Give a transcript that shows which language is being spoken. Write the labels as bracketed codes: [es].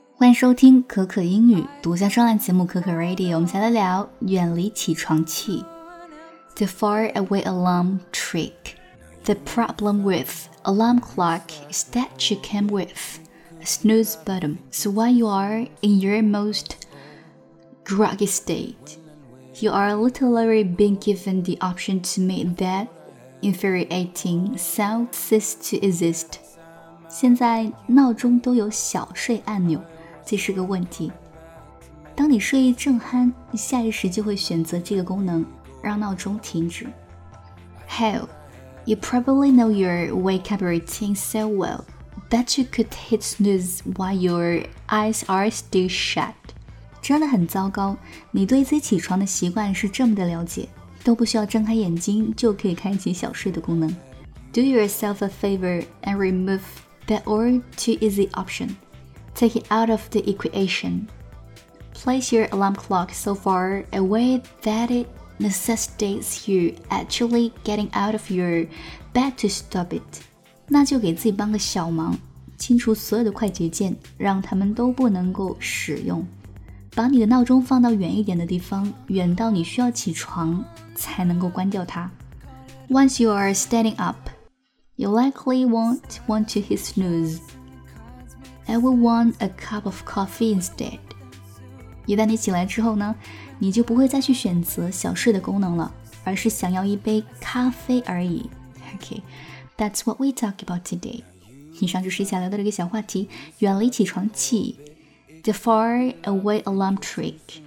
[zh] 欢迎收听可可英语独家专栏节目可可 Radio， 我们来聊远离起床气。 [en] The far away alarm trick. The problem with alarm clock is that you came with a snooze button. So while you are in your most groggy state, you are literally being given the option to make that infuriating sound cease to exist. [zh] 现在闹钟都有小睡按钮，这是个问题。当你睡意正酣，下意识就会选择这个功能。让闹钟停止。 [en] Hell, you probably know your wake-up routine so well that you could hit snooze while your eyes are still shut. [zh] 真的很糟糕，你对自己起床的习惯是这么的了解，都不需要睁开眼睛就可以开启小睡的功能。 [en] Do yourself a favor and remove that all too easy option. Take it out of the equation. Place your alarm clock so far away that itnecessitates you actually getting out of your bed to stop it. [zh] 那就给自己帮个小忙，清除所有的快捷键，让他们都不能够使用。把你的闹钟放到远一点的地方，远到你需要起床才能够关掉它。 [en] Once you are standing up, you likely won't want to hit snooze. I will want a cup of coffee instead. [zh] 一旦你起来之后呢，你就不会再去选择小睡的功能了，而是想要一杯咖啡而已。 [en] Okay, that's what we talk about today. [zh] 以上就是接下来的这个小话题，远离起床气。 [en] The far away alarm trick.